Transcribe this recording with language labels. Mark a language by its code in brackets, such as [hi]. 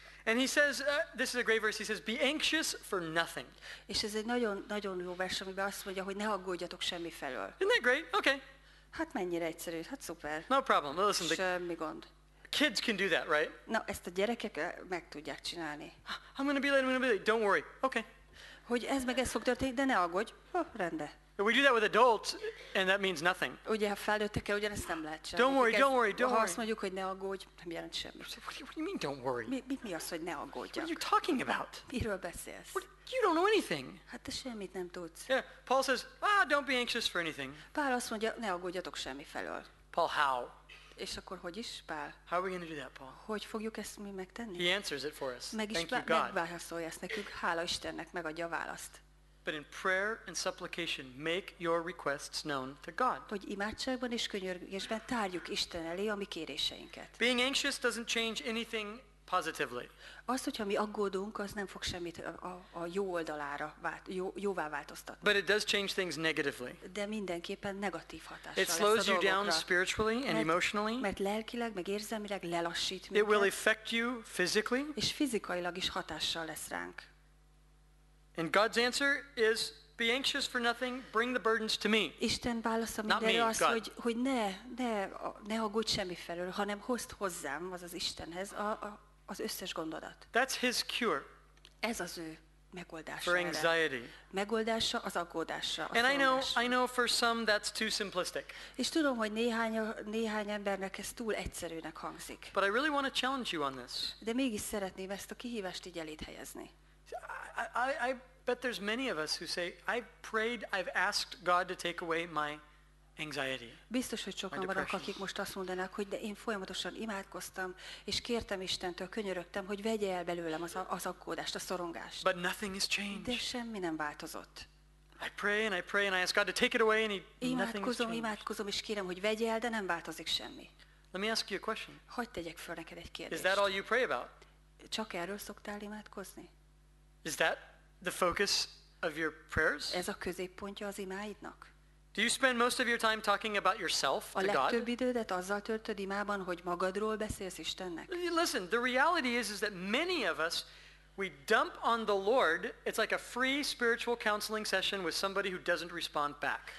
[en] And he says, this is a great verse, he says, be anxious for nothing. [hu] És ez egy nagyon, nagyon jó vers, amiben azt mondja, hogy ne aggódjatok semmi felől. [en] Isn't that great? Okay. [hu] Hát mennyire egyszerű, hát szuper. [en] No problem. Listen, [hu] semmi gond. [en] Kids can do that, right? [hu] No, ezt a gyerekek meg tudják csinálni. [en] I'm gonna be late, don't worry, okay. [hu] Hogy ez meg ez fog történni, de ne aggódj, rende. [en] But we do that with adults, and that means nothing. [hu] Ugye, ha felnőttekkel, ugyanezt nem lehet semmi. [en] Don't worry. [hu] Ha azt mondjuk, hogy ne aggódj, nem jelent semmi. [en] What do you mean, don't worry? [hu] Mi az, hogy ne aggódjak? [en] What are you talking about? [hu] Miről beszélsz? [en] You don't know anything. [hu] Hát te semmit nem tudsz. [en] Yeah, Paul says, don't be anxious for anything. [hu] Pál azt mondja, ne aggódjatok semmi felől. [en] Paul, how? [hu] És akkor hogy is, Pál? [en] How are we going to do that, Paul? [hu] Hogy fogjuk ezt mi megtenni? [en] He answers it for us. [hu] Meg is [en] Thank you, God. [hu] Megválaszolja ezt nekünk, hála Istennek, megadja a választ. [en] But in prayer and supplication, make your requests known to God. [hu] Hogy imádságban és könyörgésben tárjuk Isten elé a mi kéréseinket. [en] Being anxious doesn't change anything positively. [hu] Azt, hogyha mi aggódunk, az nem fog semmit a jó oldalára jóvá változtatni. [en] But it does change things negatively. [hu] De mindenképpen negatív hatással lesz a dolgokra. [en] It slows you down spiritually and emotionally. [hu] Mert lelkileg, meg érzelmileg lelassít minket. [en] It will affect you physically. [hu] És fizikailag is hatással lesz ránk. [en] And God's answer is, be anxious for nothing, bring the burdens to me. [hu] Isten válasza mindenre az, hogy ne aggódj semmi felől, hanem hozd hozzám, azaz Istenhez, az összes gondodat. [en] That's his cure. [hu] Ez az ő megoldása. [en] For anxiety. [hu] Megoldása az aggódásra. [en] And I know for some that's too simplistic. [hu] És tudom, hogy néhány embernek ez túl egyszerűnek hangzik. [en] But I really want to challenge you on this. [hu] De mégis szeretném ezt a kihívást így eléd helyezni. [en] I bet there's many of us who say, I've asked God to take away my anxiety. [hu] Biztos, hogy sokan vannak, akik most azt mondanák, hogy de én folyamatosan imádkoztam, és kértem Istentől, könyörögtem, hogy vegye el belőlem az aggódást, a szorongást. [en] But nothing has changed. [hu] De semmi nem változott. [en] I pray and I ask God to take it away and nothing has changed. [hu] Imádkozom és kérem, hogy vegye el, de nem változik semmi. [en] Let me ask you a question. [hu] Hogy tegyek fel neked egy kérdést. [en] Is that all you pray about? [hu] Csak erről szoktál imádkozni? [en] Is that the focus of your prayers? [hu] Ez a középpontja az imáidnak. [en] Do you spend most of your time talking about yourself to God? [hu] A legtöbb idődet azzal töltöd imában, hogy magadról beszélsz Istennek. [en] Listen, the reality is that many of us, we dump on the Lord, it's like a free spiritual counseling session with somebody who doesn't respond back.